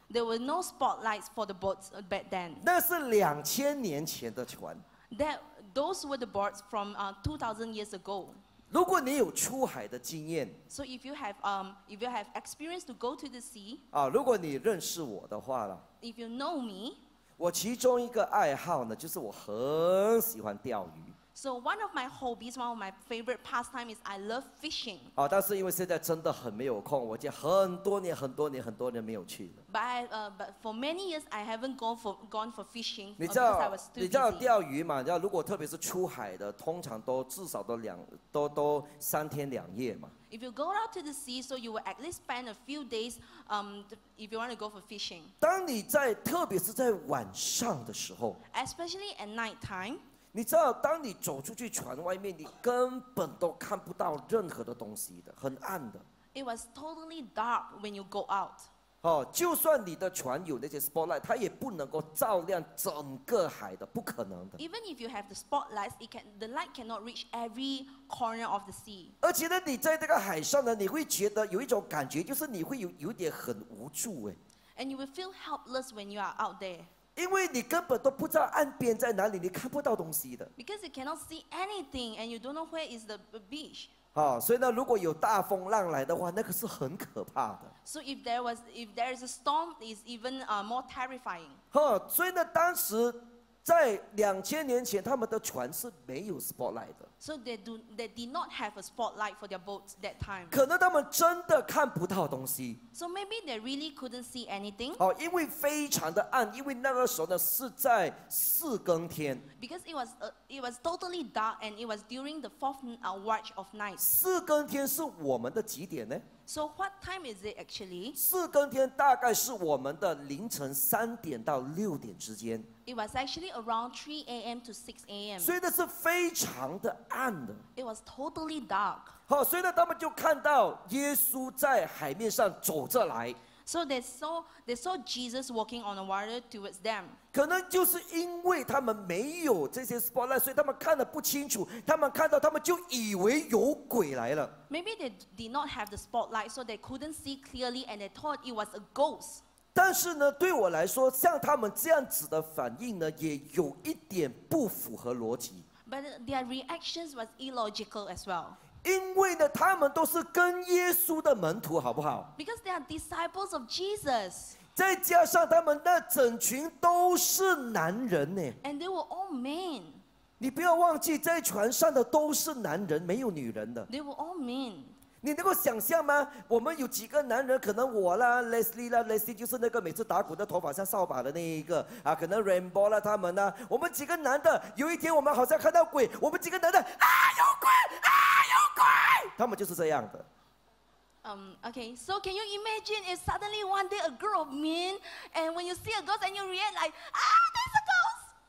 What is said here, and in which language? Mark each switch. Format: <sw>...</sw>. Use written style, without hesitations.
<en>There were no spotlights for the boats back then.</en> <zh>那是2000年前的船。</zh> <en>Those were the boats from 2000 years ago.</en> <zh>如果你有出海的经验</zh> <en>，So if you have if you have experience to go to the sea，</en> <zh>啊，如果你认识我的话了</zh> <en>，If you know me，</en> <zh>我其中一个爱好呢，就是我很喜欢钓鱼。</zh> <en>So one of my hobbies, one of my favorite pastimes is I love fishing.</en> <zh>好，但是因为现在真的很没有空，我已经很多年、很多年、很多年没有去了。</zh> <en>But for many years I haven't gone for fishing.</en> <zh>你知道，你知道钓鱼嘛？你知道，如果特别是出海的，通常都至少都两都三天两夜嘛。</zh> <en>If you go out to the sea, so you will at least spend a few days, if you want to go for fishing.</en> <zh>当你在特别是在晚上的时候</zh> <en>，especially at night time。</en> <zh>你知道，当你走出去船外面，你根本都看不到任何的东西的，很暗的。</zh> <en>It was totally dark when you go out.</en> <zh>哦，就算你的船有那些 spotlight， 它也不能够照亮整个海的，不可能的。</zh> <en>Even if you have the spotlights, the light cannot reach every corner of the sea.</en> <zh>而且呢，你在这个海上呢，你会觉得有一种感觉，就是你会有点很无助哎。</zh> <en>And you will feel helpless when you are out there.</en> <zh>因为你根本都不知道岸边在哪里，你看不到东西的。</zh> <en>Because you cannot see anything and you don't know where is the beach.</en> <zh>好，所以呢，如果有大风浪来的话，那个是很可怕的。</zh> <en>So if there is a storm, it's even more terrifying.</en> <zh>所以呢，当时在2000年前，他们的船是没有 spotlight 的。</zh> <en>So they did not have a spotlight for their boats that time.</en> <zh>可能他们真的看不到东西。</zh> <en>So maybe they really couldn't see anything.</en> <zh>哦，因为非常的暗，因为那个时候呢是在四更天。</zh> <en>Because it was totally dark and it was during the fourth watch of night.</en> <zh>四更天是我们的几点呢？</zh> <en>So what time is it actually?</en> <zh>四更天大概是我们的凌晨3点到6点之间。</zh> <en>It was actually around 3 a.m. to 6 a.m.</en> <zh>所以那是非常的暗的。</zh> <en>It was totally dark.</en> <zh>好，所以呢，他们就看到耶稣在海面上走着来。</zh> <en>So they saw Jesus walking on the water towards them.</en> <zh>可能就是因为他们没有这些 spotlight， 所以他们看得不清楚。他们看到，他们就以为有鬼来了。</zh> <en>Maybe they did not have the spotlight, so they couldn't see clearly, and they thought it was a ghost.</en> <zh>但是呢，对我来说，像他们这样子的反应呢，也有一点不符合逻辑。</zh> <en>But their reactions was illogical as well.</en> <zh>因为呢，他们都是跟耶稣的门徒，好不好</zh> <en>？Because they are disciples of Jesus.</en> <zh>再加上他们那整群都是男人呢。</zh> <en>And they were all men.</en> <zh>你不要忘记，在船上的都是男人，没有女人的。</zh> <en>They were all men.</en> <zh>你能够想象吗？我们有几个男人？可能我啦 ，Leslie 啦 ，Leslie 就是那个每次打鼓的头发像扫把的那一个啊，可能 Rainbow 啦，他们呢、啊？我们几个男的，有一天我们好像看到鬼，我们几个男的啊，有鬼啊！他们就是这样的。</zh> <en>Okay. So can you imagine if suddenly one day a group of men, and when you see a ghost and you react like, ah, there's a ghost.</en>